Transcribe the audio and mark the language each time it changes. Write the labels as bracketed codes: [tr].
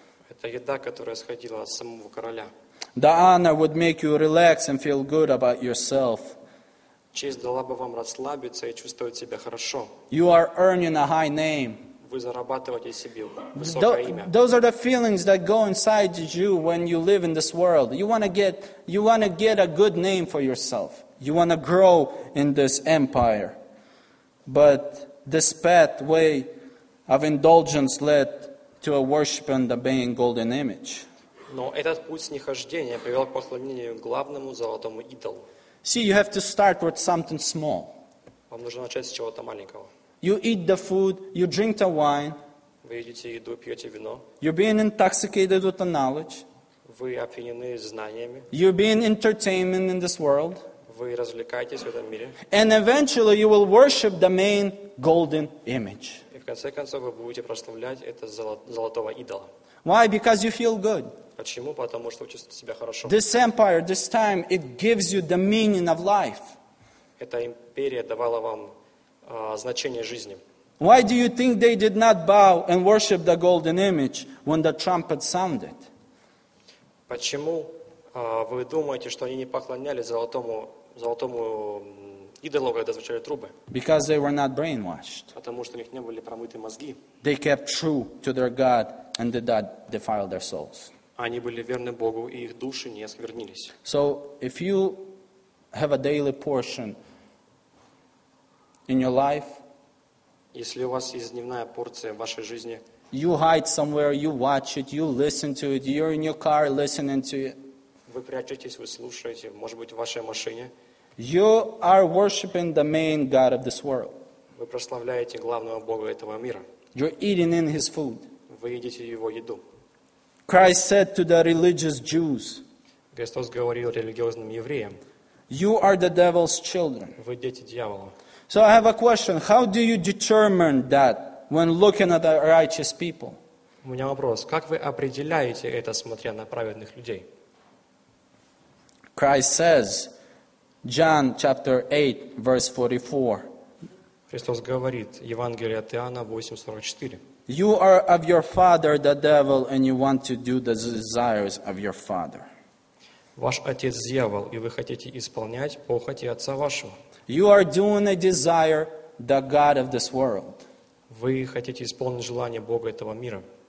[ru] Это еда, которая исходила от самого короля. [en] The honor would make you relax and feel good about yourself. [ru] Честь дала бы вам расслабиться и чувствовать себя хорошо. [en] You are earning a high name. [ru] В вы зарабатываете себе высокое имя. [en] Those are the feelings that go inside you when you live in this world. You want to get a good name for yourself. You want to grow in this empire. But this pathway of indulgence led to a worship and obeying golden image. [ru] Но этот путь снехождения привел к поклонению главному золотому идолу. [en] See, you have to start with something small. [ru] Вам нужно начать с чего-то маленького. [en] You eat the food, you drink the wine. [ru] Вы едите еду, пьете вино. [en] You're being intoxicated with the knowledge. [ru] Вы опьянены знаниями. [en] You're being entertainment in this world. [ru] Вы развлекаетесь в этом мире. [en] And eventually you will worship the main golden image. [ru] И в конце концов вы будете прославлять это золотого идола. [en] Why? Because you feel good. [ru] Почему? Потому что вы чувствуете себя хорошо. [en] This empire, this time, it gives you the meaning of life. [ru] Эта империя давала вам значение жизни. [en] Why do you think they did not bow and worship the golden image when the trumpet sounded? [ru] Почему вы думаете, что они не поклонялись золотому идолу, когда звучали трубы? [en] Because they were not brainwashed. [ru] Потому что у них не были промыты мозги. [en] They kept true to their God and did not defile their souls. [ru] Они были верны Богу, и их души не осквернились. [en] So if you have a daily portion in your life, [ru] если у вас есть дневная порция в вашей жизни, [en] you hide somewhere, you watch it, you listen to it, you're in your car listening to it. [ru] Вы прячетесь, вы слушаете, может быть, в вашей машине. [en] You are worshiping the main God of this world. [ru] Вы прославляете главного Бога этого мира. [en] You're eating in his food. [ru] Вы едите его еду. [en] Christ said to the religious Jews, [ru] Христос говорил религиозным евреям, [en] you are the devil's children. [ru] Вы дети дьявола. [en] So I have a question. How do you determine that when looking at the righteous people? [ru] У меня вопрос. Как вы определяете это, смотря на праведных людей? [en] Christ says, John chapter 8, verse 44. [ru] Христос говорит, Евангелие от Иоанна 8:44. [en] You are of your father, the devil, and you want to do the desires of your father. [ru] Ваш отец дьявол, и вы хотите исполнять похоти отца вашего. [en] You are doing a desire the god of this world. [ru] Вы хотите исполнить желание Бога этого мира.